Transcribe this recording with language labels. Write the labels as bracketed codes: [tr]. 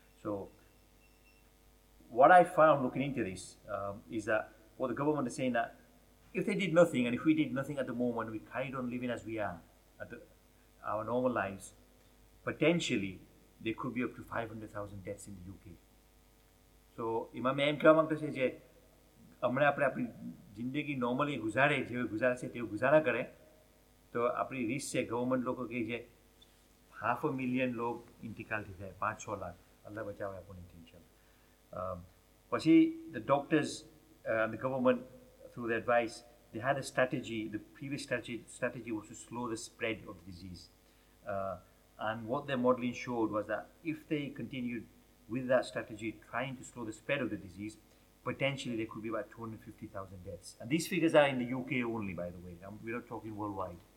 [en] So what I found looking into this is that what the government is saying, that if they did nothing, and if we did nothing at the moment, we carried on living as we are, at our normal lives, potentially there could be up to 500,000 deaths in the UK. [gu] So, ઇમાં મેં એમ કહેવા માંગતો છે જે હમણાં આપણે આપણી જિંદગી normally ગુજારે જેવી ગુજારે છે તેવું ગુજારા કરે તો આપણી રિસ્ક છે ગવર્મેન્ટ લોકો કહે છે હાફ અ મિલિયન લોક ઇન્તિકાલથી થાય 5-6 લાખ અલ્લાહ બચાવે આપણું ઇન્ટેન્શન પછી [en] The doctors the government through the advice they had a strategy the previous strategy was to slow the spread of disease and what the modelling showed was that if they continue with that strategy, trying to slow the spread of the disease, potentially there could be about 250,000 deaths. And these figures are in the UK only, by the way. We're not talking worldwide.